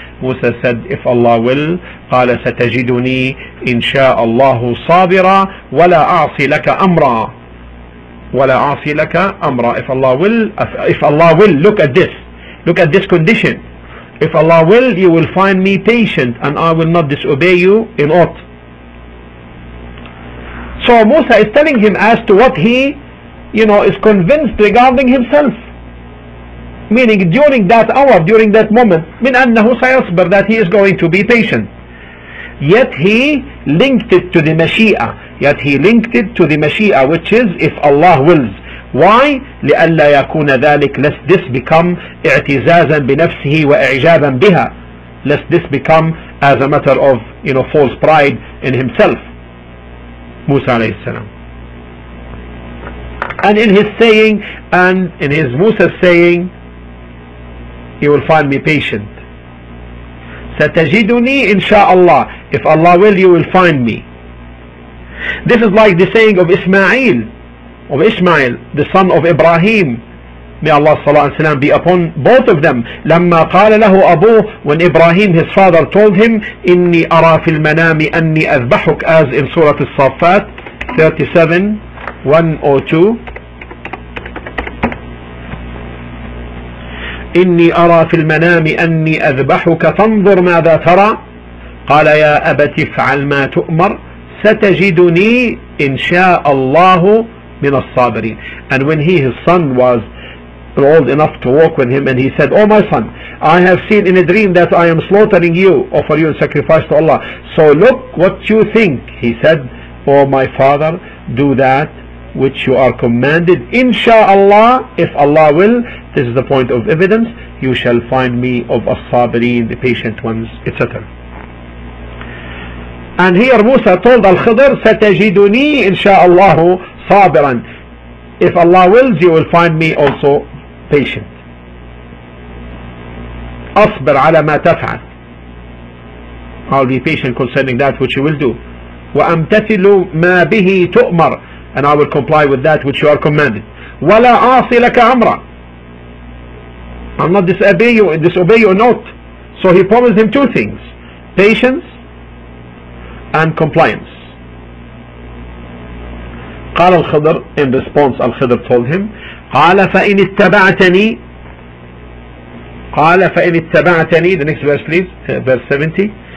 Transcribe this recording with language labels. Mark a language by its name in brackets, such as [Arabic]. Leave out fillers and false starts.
[Arabic] موسى [English] said, if Allah will, [Arabic] قال ستجدني إن شاء الله صابرا ولا أعصي لك أمرا ولا أعصي لك أمرا. [English] If Allah will, look at this condition. If Allah will, you will find me patient and I will not disobey you in aught. So Musa is telling him as to what he is convinced regarding himself. Meaning during that hour, during that moment, [Arabic] من أنه سيصبر, [English] that he is going to be patient. Yet he linked it to the مشيئة. Yet he linked it to the مشيئة, which is if Allah wills. Why? [Arabic] لألا يكون ذلك, [English] lest this become [Arabic] اعتزازا بنفسه وإعجابا بها. [English] Lest this become as a matter of, you know, false pride in himself. Musa عليه السلام. And in his saying, and in his Musa saying, you will find me patient. [Arabic] ستجدني إن شاء الله. [English] If Allah will, you will find me. This is like the saying of Ismail, of Ishmael, the son of Ibrahim. May Allah صلى الله عليه وسلم be upon both of them. [Arabic] لما قال له أبوه, [English] when Ibrahim his father told him, [Arabic] إني أرى في المنام أني أذبحك, [English] as in Surah الصافات 37:102. [Arabic] إني أرى في المنام أني أذبحك فانظر ماذا ترى قال يا أبت افعل ما تؤمر ستجدني إن شاء الله من الصابرين. [English] And when he, his son, was old enough to walk with him, and he said, oh my son, I have seen in a dream that I am slaughtering you, offer you in sacrifice to Allah, so look what you think. He said, oh my father, do that which you are commanded, inshallah, if Allah will, this is the point of evidence, you shall find me of as-sabirin, the patient ones, etc. And here Musa told Al-Khidr, [Arabic] ستجدني إن شاء الله صابرا, [English] if Allah wills, you will find me also patient. [Arabic] أصبر على ما تفعل, [English] I'll be patient concerning that which you will do. [Arabic] وأمتثل ما به تؤمر, [English] and I will comply with that which you are commanded. [Arabic] ولا أعصي لك أمرا, [English] I'm not disobey you not. So he promised him two things, patience and compliance. [Arabic] قال الخضر, [English] in response الخضر told him, [Arabic] قال فإن اتبعتني, [English] the next verse please, verse 70.